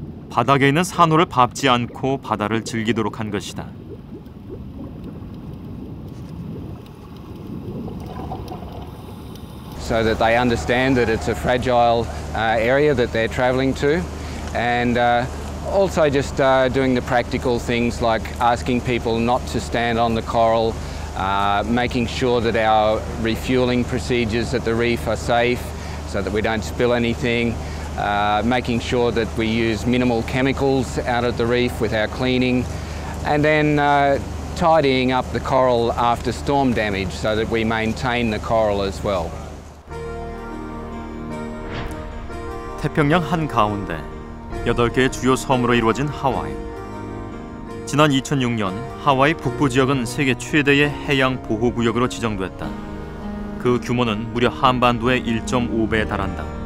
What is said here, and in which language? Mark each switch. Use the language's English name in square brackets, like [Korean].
[Korean] 바닥에 있는 산호를 밟지 않고 바다를 즐기도록 한 것이다. 그래서 그들은 알고 있는 것은 그것이 프라질한 곳이라는 것을 알고 있는 것입니다. [English] 또 just doing the practical things like asking people not to stand on the coral, making sure that our refueling procedures at the reef are safe so that we don't spill anything, making sure that we use minimal chemicals out at the reef with our cleaning, and then tidying up the coral after storm damage so that we maintain the coral as well. [Korean] 태평양 한 가운데 8개의 주요 섬으로 이루어진 하와이. 지난 2006년 하와이 북부 지역은 세계 최대의 해양 보호 구역으로 지정됐다. 그 규모는 무려 한반도의 1.5배에 달한다.